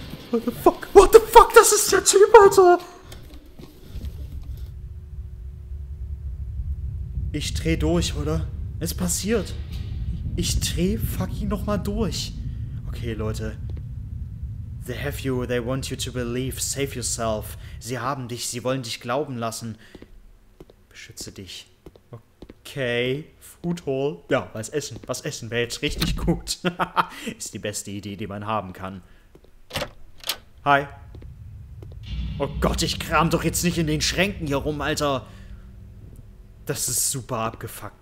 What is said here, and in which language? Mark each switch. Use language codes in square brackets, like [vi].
[en] What the fuck? [de] Das ist der Typ, Alter! Ich dreh durch, oder? Es passiert. Ich dreh fucking nochmal durch. Okay, Leute. [en] They have you, they want you to believe. Save yourself. [de] Sie haben dich, sie wollen dich glauben lassen. Beschütze dich. Okay. Food Hall. Ja, was essen? Was essen wäre jetzt richtig gut. Ist die beste Idee, die man haben kann. Hi. Oh Gott, ich kram doch jetzt nicht in den Schränken hier rum, Alter. Das ist super abgefuckt.